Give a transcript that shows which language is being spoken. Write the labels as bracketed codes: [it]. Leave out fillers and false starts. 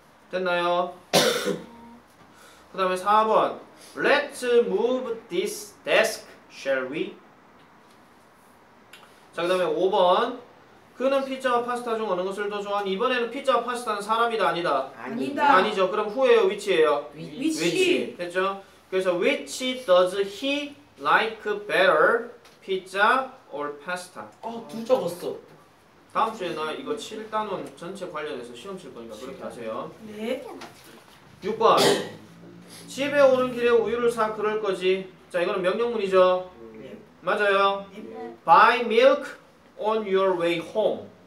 [ko] 됐나요? 그다음에 4번. [en] Let's move this desk, shall we? [ko] 자, 그다음에 5번. 그는 피자와 파스타 중 어느 것을 더 좋아하니? 이번에는 피자와 파스타는 사람이다, 아니다? 아니다. 아니죠. 그럼 후예요, 위치예요? 위치. 위치. 됐죠? 그래서 [en] which does he like better, pizza or pasta? [ko] 아, 둘 적었어. 다음 주에 나 이거 7단원 전체 관련해서 시험 칠 거니까 그렇게 하세요. 네. 6번. 집에 오는 길에 우유를 사 그럴 거지. 자, 이거는 명령문이죠? 네. 맞아요. 네. [en] Buy milk. On your way home.